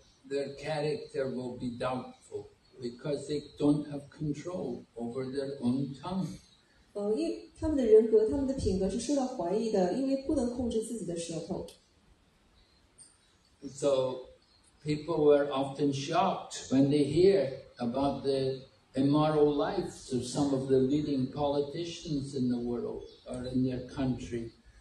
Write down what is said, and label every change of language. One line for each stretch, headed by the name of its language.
English: Their character will be doubtful because they don't have control over their own tongue.
Chinese: 因为他们的人格，他们的品格是受到怀疑的，因为不能控制自己的舌头。
English: So people were often shocked when they hear about the immoral lives of some of the leading politicians in the world or in their country.